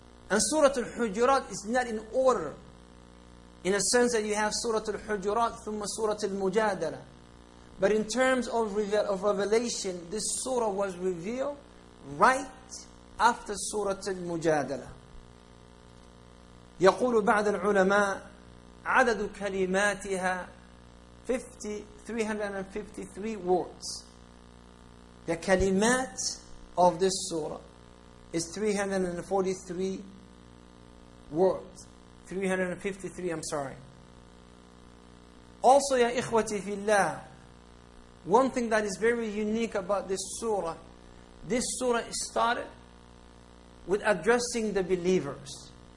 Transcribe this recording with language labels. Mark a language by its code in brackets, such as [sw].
[en] And Surah Al-Hujurat is not in order, in a sense that you have Surah Al-Hujurat Thumma Surah Al-Mujadala. But in terms of revelation, this surah was revealed right after Surah Al-Mujadala. [ar] يقول بعض العلماء عدد كلماتها 353 words. [en] The kalimat of this surah is 343 words. 353. Also, Ya Ikhwati Fillah, one thing that is very unique about this surah started with addressing the believers.